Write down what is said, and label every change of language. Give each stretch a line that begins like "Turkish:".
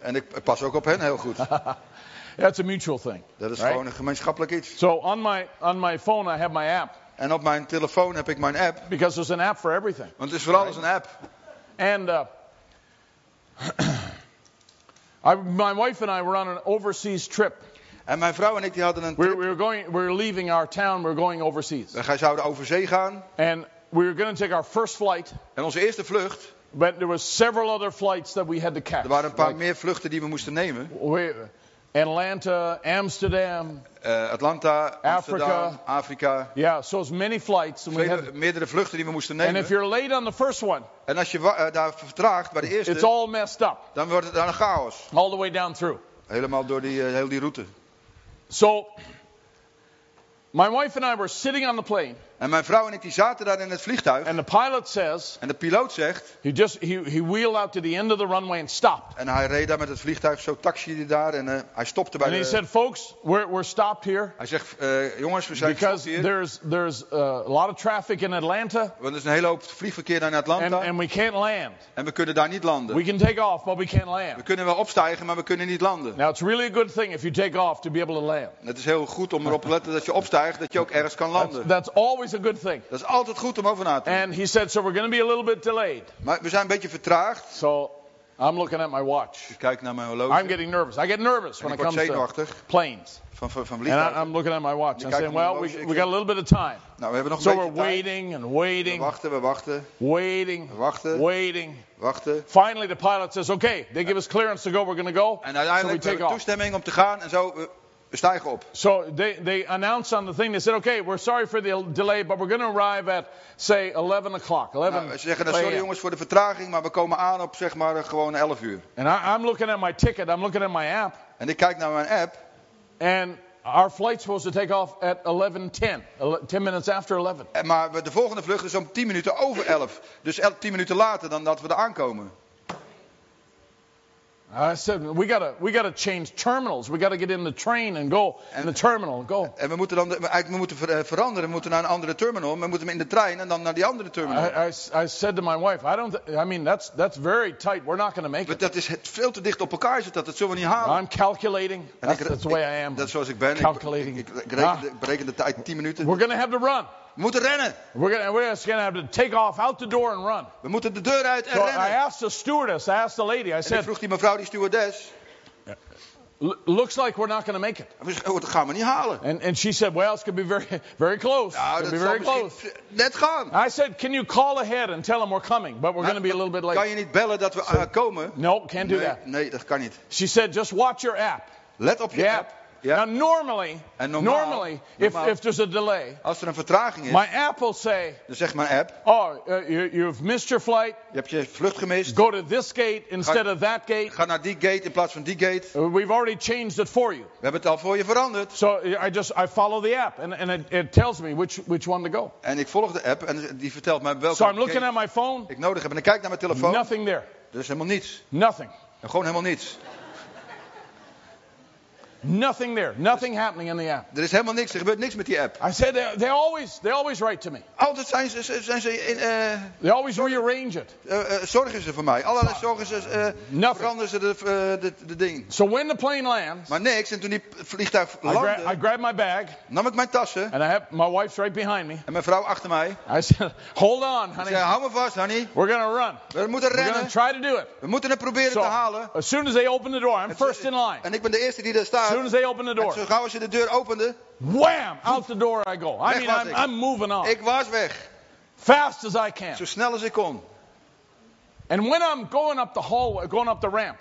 Dutch: En ik pas ook op hen heel goed.
English: That's a mutual thing.
Dutch: Dat is
English: right?
Dutch: Gewoon een gemeenschappelijk iets.
English: So on my phone I have my app.
Dutch: En op mijn telefoon heb ik mijn app.
English: Because there's an app for everything.
Dutch: Want het is voor alles een app.
English: And my wife and I were on an overseas trip.
Dutch: En mijn vrouw en ik die hadden een trip.
English: We're leaving our town, we're going overseas.
Dutch: En wij zouden over zee gaan.
English: And we were going to take our first flight.
Dutch: En onze eerste vlucht.
English: But there were several other flights that we had to catch.
Dutch: Er waren een paar meer vluchten die we moesten nemen.
English: Atlanta, Amsterdam.
Dutch: Atlanta, Amsterdam, Afrika.
English: Yeah, so as many flights.
Dutch: We had meerdere vluchten die we moesten nemen.
English: And if you're late on the first one.
Dutch: En als je daar vertraagt bij de eerste.
English: It's all messed up.
Dutch: Dan wordt het dan een chaos.
English: All the way down through.
Dutch: Helemaal door die heel die route.
English: So, my wife and I were sitting on the plane.
Dutch: En mijn vrouw en ik die zaten daar in het vliegtuig.
English: And the pilot says.
Dutch: En de piloot zegt.
English: He wheeled out to the end of the runway and stopped.
Dutch: En hij reed daar met het vliegtuig, zo taxiede daar en hij stopte bij.
English: And
Dutch: de,
English: he said, folks, we're stopped here.
Dutch: Hij zegt, jongens, we zijn hier.
English: Because there's a lot of traffic in Atlanta.
Dutch: Want er is een hele hoop vliegverkeer in Atlanta.
English: And we can't land.
Dutch: En we kunnen daar niet landen.
English: We can take off, but we can't land.
Dutch: We kunnen wel opstijgen, maar we kunnen niet landen.
English: Now it's really a good thing if you take off to be able to land.
Dutch: Het is heel goed om erop te letten dat je opstijgt, dat je ook ergens kan landen.
English: That's always a good thing.
Dutch: Dat is altijd goed om over na te.
English: And he said, so we're going to be a little bit delayed.
Dutch: Maar we zijn een beetje vertraagd.
English: So I'm looking at my watch.
Dutch: Ik kijk naar mijn horloge.
English: I'm getting nervous. I get nervous when it comes to planes.
Dutch: Van
English: and I'm looking at my watch. I'm saying, well, we got a little bit of time.
Dutch: Nou, we hebben nog
English: so
Dutch: een
English: we're
Dutch: tijd.
English: Waiting and waiting.
Dutch: We wachten.
English: Waiting.
Dutch: Wachten.
English: Finally, the pilot says, okay, they give us clearance to go. We're going to go.
Dutch: En uiteindelijk
English: so we take
Dutch: toestemming
English: off.
Dutch: Om te gaan en zo. We stijgen op.
English: So they announced on the thing. They said, okay, we're sorry for the delay, but we're going to arrive at, say, 11 o'clock. 11
Dutch: nou, ze zeggen, sorry
English: a.m.
Dutch: jongens voor de vertraging, maar we komen aan op zeg maar gewoon 11 uur.
English: And I'm looking at my ticket. I'm looking at my app.
Dutch: En ik kijk naar mijn app.
English: And our flight's supposed to take off at 11:10. 10 minutes after 11.
Dutch: En maar de volgende vlucht is om 10 minuten over 11. Dus 10 minuten later dan dat we er aankomen.
English: I said we gotta change terminals. We gotta get in the train and go in the terminal and go.
Dutch: En we moeten dan veranderen. We moeten naar een andere terminal. We moeten in de trein en dan naar die andere terminal.
English: I said to my wife, I mean that's very tight. We're not gonna make it.
Dutch: Dat is veel te dicht op elkaar zit. Dat zullen we niet halen.
English: I'm calculating. That's the way I am.
Dutch: Dat is zoals ik ben.
English: Calculating.
Dutch: Ik bereken de tijd 10 minuten.
English: We're gonna have to run.
Dutch: We moeten rennen.
English: We're gonna have to take off out the door and run.
Dutch: We moeten de deur uit en
English: so
Dutch: rennen.
English: I asked the stewardess, I asked the lady, I said,
Dutch: ik vroeg die mevrouw, die stewardess.
English: Looks like we're not going to make it.
Dutch: Dat gaan we niet halen.
English: And she said, well, it's going to be very, very close.
Dutch: Nou,
English: it's going to be very close.
Dutch: Net gaan.
English: I said, can you call ahead and tell them we're coming, but we're going to be a little bit late.
Dutch: Kan je niet bellen dat we komen?
English: Nope, can't do that.
Dutch: Nee, dat kan niet.
English: She said, just watch your app.
Dutch: Let op je app.
English: Yeah. Now normally if there's a delay,
Dutch: als er een vertraging is,
English: my app will say,
Dutch: dan zegt mijn app,
English: oh, you've missed your flight.
Dutch: Je hebt je vlucht gemist.
English: Go to this gate instead of that gate.
Dutch: Ga naar die gate in plaats van die gate.
English: We've already changed it for you.
Dutch: We hebben het al voor je veranderd.
English: So I follow the app and it tells me which one to go.
Dutch: En ik volg de app en die vertelt mij welke.
English: So I'm looking at my phone.
Dutch: Ik nodig heb en ik kijk naar mijn telefoon.
English: Nothing there.
Dutch: Er is helemaal niets.
English: Nothing.
Dutch: En gewoon helemaal niets.
English: Nothing there. Nothing happening in the app.
Dutch: Er is helemaal niks. Er gebeurt niks met die app.
English: I said they always write to me.
Dutch: Altijd zijn ze in.
English: They always rearrange it.
Dutch: Zorgen ze voor mij. Allerlei zorgen ze. Veranderen ze de ding.
English: So when the plane lands.
Dutch: Maar niks. En toen die vliegtuig landde.
English: I grab my bag.
Dutch: Nam ik mijn tassen.
English: And I have my wife's right behind me.
Dutch: En mijn vrouw achter mij.
English: I said, hold on, honey.
Dutch: Ik zei, hou me vast, honey.
English: We're gonna run.
Dutch: We moeten rennen.
English: We're try to do it.
Dutch: We moeten het proberen te halen.
English: As soon as they open the door, I'm first in line.
Dutch: En ik ben de eerste die daar staat.
English: As soon as they open the door.
Dutch: Zo gauw als ze de deur opende,
English: wham! Out the door I go. I mean, I'm moving on.
Dutch: Ik was weg.
English: Fast as I can.
Dutch: Zo snel als ik kon.
English: And when I'm going up the hallway, going up the ramp.